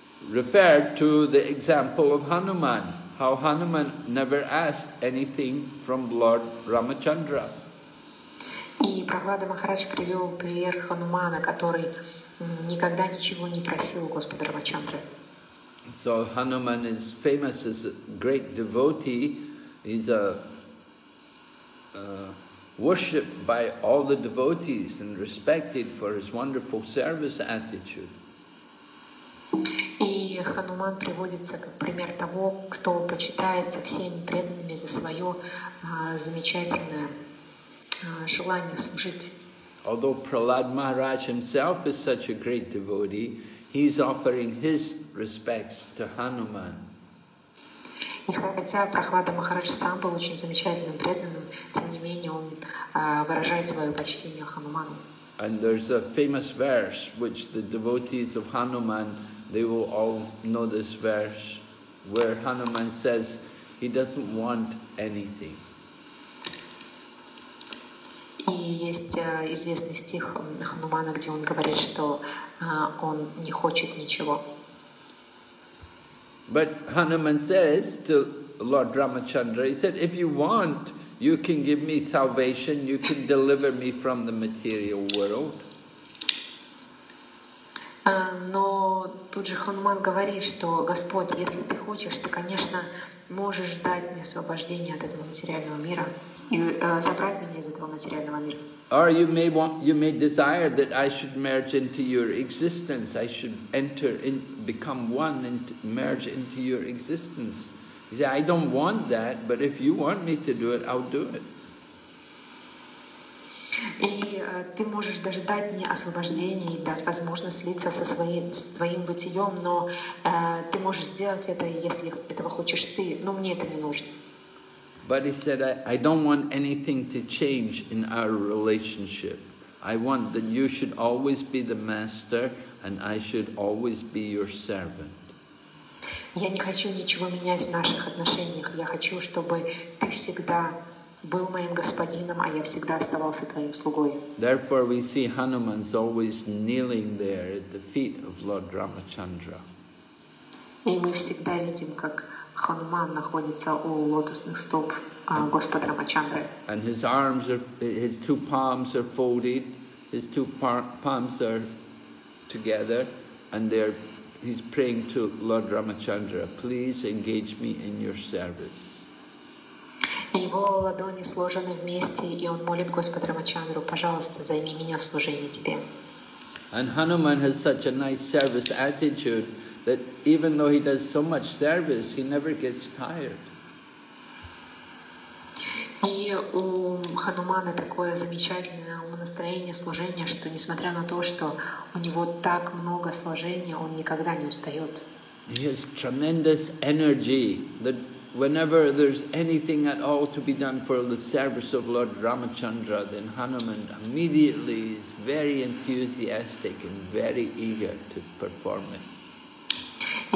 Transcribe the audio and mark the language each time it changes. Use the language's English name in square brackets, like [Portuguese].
[English] referred to the example of Hanuman, how Hanuman never asked anything from Lord Ramachandra. [Russian] И Прохлада Махарадж привел пример Ханумана, который никогда ничего не просил у Господа Рамачандры. [English] So Hanuman is famous as a great devotee. He's worshipped by all the devotees and respected for his wonderful service attitude. [Russian] И Хануман приводится как пример того, кто почитается всеми преданными за свое замечательное желание служить. [English] Although Prahlad Maharaj himself is such a great devotee, he's offering his respects to Hanuman. [Russian] И хотя Прохлада Махарадж сам был очень замечательным преданным, тем не менее он выражает свое почтение Хануману. [English] And there's a famous verse which the devotees of Hanuman, they will all know this verse, where Hanuman says he doesn't want anything. [Russian] И есть известный стих Ханумана, где он говорит, что он не хочет ничего. [English] But Hanuman says to Lord Ramachandra, he said, if you want, you can give me salvation, you can deliver me from the material world. [Russian] Но тут же Хануман говорит, что Господь, если ты хочешь, ты, конечно, можешь дать мне освобождение от этого материального мира и забрать меня из этого материального мира. [English] Or you may desire that I should merge into your existence. I should enter in, become one and merge into your existence. You say, I don't want that, but if you want me to do it, I'll do it. [Russian] И ты можешь даже дать мне освобождение и дать возможность слиться со своим, с твоим бытием, но ты можешь сделать это, если этого хочешь ты, но мне это не нужно. [English] But he said, I don't want anything to change in our relationship. I want that you should always be the master and I should always be your servant. [Russian] Я не хочу ничего менять в наших отношениях. Я хочу, чтобы ты всегда был моим господином, а я всегда оставался твоим слугой. [English] Therefore, we see Hanuman's always kneeling there at the feet of Lord Ramachandra. [Russian] И мы всегда видим, как Хануман находится у лотосных стоп Господа Рамачандры. [English] And his arms are, his two palms are folded, his two palms are together, and they're, he's praying to Lord Ramachandra, please engage me in your service. [Russian] Его ладони сложены вместе, и он молит Господа Рамачандру, пожалуйста, займи меня в служении тебе. [English] And Hanuman has such a nice service attitude, that even though he does so much service, he never gets tired. [Russian] И у Ханумана такое замечательное настроение служения, что несмотря на то, что у него так много служения, он никогда не устает. [English] He has tremendous energy that whenever there's anything at all to be done for the service of Lord Ramachandra, then Hanuman immediately is very enthusiastic and very eager to perform it.